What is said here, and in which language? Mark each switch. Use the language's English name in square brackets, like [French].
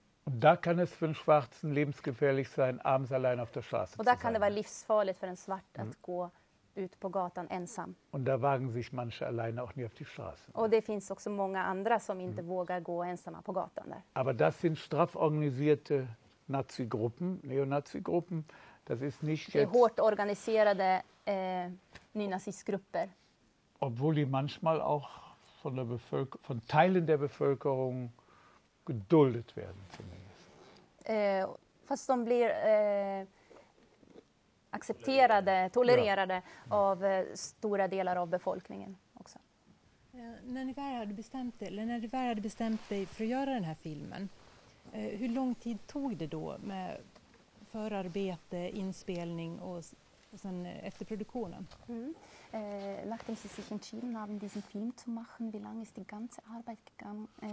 [German] Und da kann es für einen Schwarzen lebensgefährlich sein, abends allein auf der Straße zu sein. Und da kann es aber [Swedish] livsfarligt [German] für einen Schwarzen, [Swedish] att gå ut på gatan ensam. [German] Und da wagen sich manche alleine auch nie auf die Straße. [Swedish] Och det finns också många andra som inte vågar gå ensamma på gatan där. [German] Aber das sind straff organisierte Nazi-Gruppen, Neonazi-Gruppen. Das ist nicht jetzt... [Swedish] Det är hårt organiserade nynazistgrupper. [German] Obwohl die manchmal auch von Teilen der Bevölkerung geduldet werden zumindest. [Swedish] Fast de blir accepterade, tolererade av stora delar av befolkningen också. När du väl hade bestämt dig för att göra den här filmen, hur lång tid tog det då med förarbete, inspelning och sen efter produktionen? [German] Nachdem Sie sich entschieden haben, diesen Film zu machen, wie lange ist die ganze Arbeit gegangen?